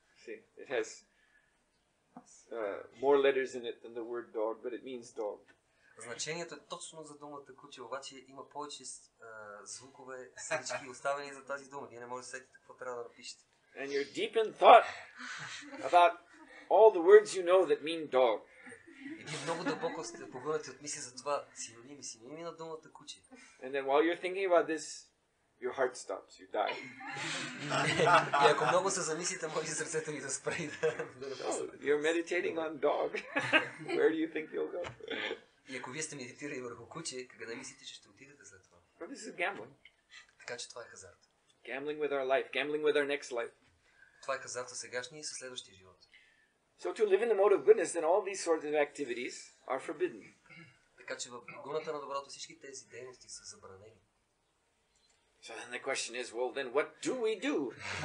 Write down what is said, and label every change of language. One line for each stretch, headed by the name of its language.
English: See, it has more letters in it than the word dog, but it means dog.
Bulgarian: Значението е точно за думата куче, обаче има повече звукове, слички, оставени за тази дума. Вие не можете да сетите какво трябва да напишете.
English: And you're deep in thought about all the words you know that mean dog.
Bulgarian: И вие много дълбоко сте погълнати от мисли за това синоними, синоними на думата куче.
English: And then while you're thinking about this, your heart stops, you die.
Bulgarian: И ако много се замислите, може сърцето ви да спре.
English: No, you're meditating on dog. Where do you think you'll go?
Bulgarian: И ако вие сте медитирали върху куче, къде мислите, че ще отидете след това?
English: But this is gambling.
Bulgarian: Така че това е хазарт.
English: Gambling with our life, gambling with our next life.
Bulgarian: Това е хазарт за сегашния и за следващия живот.
English: So to live in the mode of goodness, then all these sorts of activities are forbidden.
Bulgarian: Така че в гуната на доброто всички тези дейности са забранени.
English: So then the question is, well then what do we do?